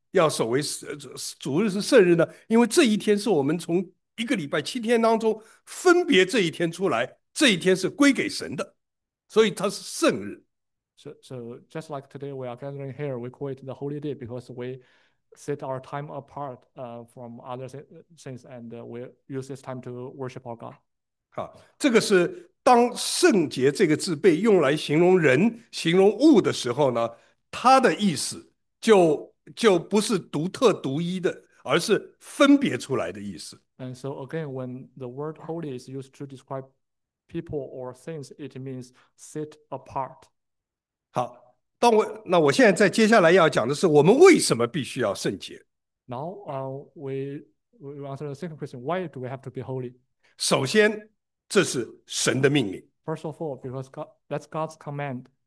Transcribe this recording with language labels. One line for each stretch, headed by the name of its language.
Chinese: 要守为主日是圣日呢，因为这一天是我们从一个礼拜7天当中分别这一天出来，这一天是归给神的，所以它是圣日。
English: So just like today we are gathering here, we call it the holy day because we set our time apart from other things and we use this time to worship our God.
Chinese: 好，这个是当圣洁这个字被用来形容人、形容物的时候呢，它的意思就不是独特独一的，而是分别出来的意思。
English: And so again, when the word holy is used to describe people or things, it means set apart.
Chinese: 好，那我现在在接下来要讲的是，我们为什么必须要圣洁？
English: Now, we answer the second question. Why do we have to be holy?
Chinese: 首先，这是神的命令。
English: First of all, because God, that's God's command.